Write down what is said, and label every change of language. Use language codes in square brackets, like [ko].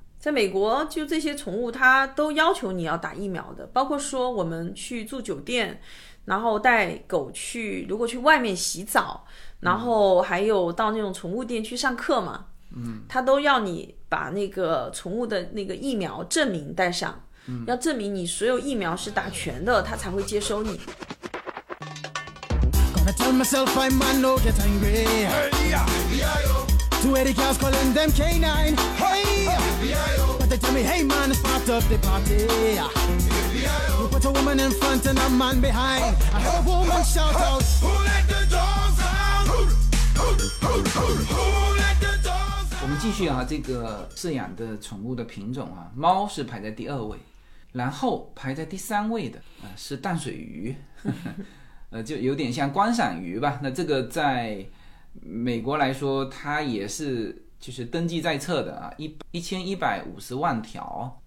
[zh] 在美国，就这些宠物，他都要求你要打疫苗的，包括说我们去住酒店，然后带狗去，如果去外面洗澡，然后还有到那种宠物店去上课嘛，他都要你把那个宠物的那个疫苗证明带上，要证明你所有疫苗是打全的，他才会接收你。 [en] I tell myself I might not get angry. Hey, Too many girls calling them canine. Hey, but they tell me, hey man, it's part of the party. You put a woman in front and a man behind. I heard a woman shout out, Who let the dogs out? Who let the dogs out? [zh] 我们继续啊，这个饲养的宠物的品种啊，猫是排在第二位，然后排在第三位的是淡水鱼。就有点像观赏鱼吧。那这个在美国来说，它也是就是登记在册的啊，1150万条。